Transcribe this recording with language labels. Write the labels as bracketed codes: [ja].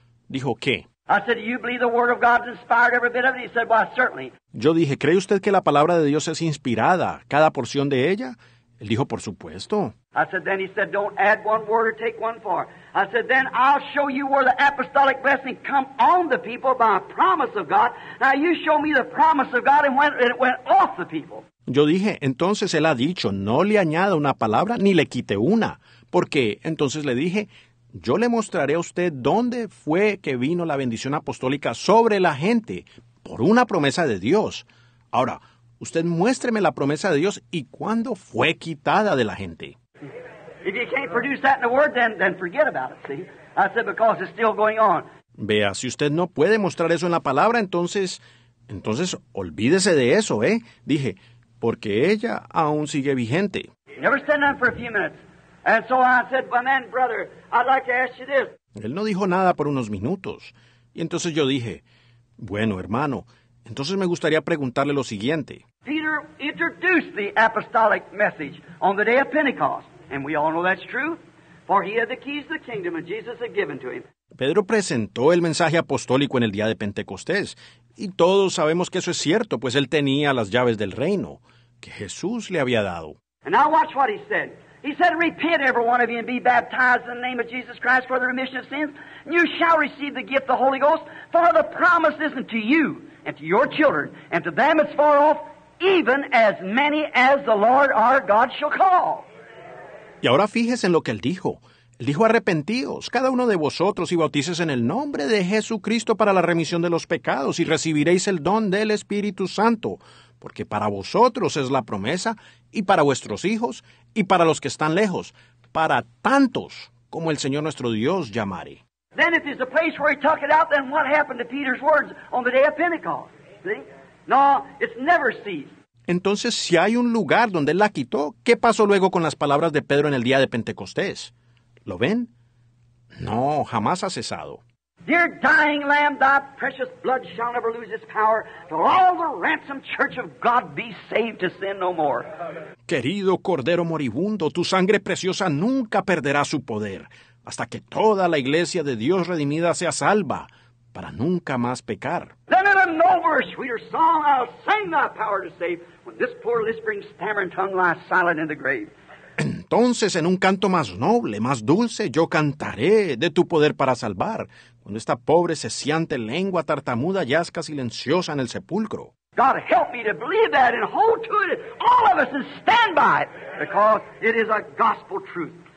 [es] Dijo, ¿qué? [en] I said, do you believe the word of God inspired every bit of it? He said, well, certainly. [es] Yo dije, ¿cree usted que la palabra de Dios es inspirada, cada porción de ella? Él dijo, por supuesto. [en] I said, then he said, don't add one word or take one far. I said, then I'll show you where the apostolic blessing come on the people by a promise of God. Now you show me the promise of God and it went off the people. [es] Yo dije, entonces él ha dicho, no le añada una palabra ni le quite una. Porque entonces le dije, yo le mostraré a usted dónde fue que vino la bendición apostólica sobre la gente, por una promesa de Dios. Ahora, usted muéstreme la promesa de Dios y cuándo fue quitada de la gente. [en] If you can't produce that in the word, then forget about it, see? I said, because it's still going on. [es] Vea, si usted no puede mostrar eso en la palabra, entonces olvídese de eso, ¿eh? Dije, porque ella aún sigue vigente. [en] Never stand up for a few minutes. And so I said, well, man, brother, I'd like to ask you this. [es] Él no dijo nada por unos minutos. Y entonces yo dije, bueno, hermano, entonces me gustaría preguntarle lo siguiente. [en] Peter introduced the apostolic message on the day of Pentecost. And we all know that's true. For he had the keys to the kingdom and Jesus had given to him. [es] Pedro presentó el mensaje apostólico en el día de Pentecostés. Y todos sabemos que eso es cierto, pues él tenía las llaves del reino que Jesús le había dado. [en] And now watch what he said. He said, repent, every one of you, and be baptized in the name of Jesus Christ for the remission of sins, and you shall receive the gift of the Holy Ghost, for the promise isn't to you, and to your children, and to them that's far off, even as many as the Lord our God shall call. [es] Y ahora fíjese en lo que él dijo. Él dijo, arrepentíos, cada uno de vosotros, y bautices en el nombre de Jesucristo para la remisión de los pecados, y recibiréis el don del Espíritu Santo. Porque para vosotros es la promesa, y para vuestros hijos, y para los que están lejos, para tantos como el Señor nuestro Dios llamare. [en] Then if there's a place where he took it out, then what happened to Peter's words on the day of Pentecost? See? No, it's never ceased. [es] Entonces, si hay un lugar donde él la quitó, ¿qué pasó luego con las palabras de Pedro en el día de Pentecostés? ¿Lo ven? No, jamás ha cesado. [en] Dear dying Lamb, thy precious blood shall never lose its power till all the ransomed church of God be saved to sin no more. [es] Querido Cordero Moribundo, tu sangre preciosa nunca perderá su poder hasta que toda la iglesia de Dios redimida sea salva para nunca más pecar. [en] Then in a nobler, sweeter song I'll sing thy power to save when this poor lisping stammering tongue lies silent in the grave. [es] Entonces, en un canto más noble, más dulce, yo cantaré de tu poder para salvar, cuando esta pobre, ceciante lengua tartamuda yazca silenciosa en el sepulcro. [en] God help me to believe that and hold to it, all of us, and stand by it, because it is a gospel truth.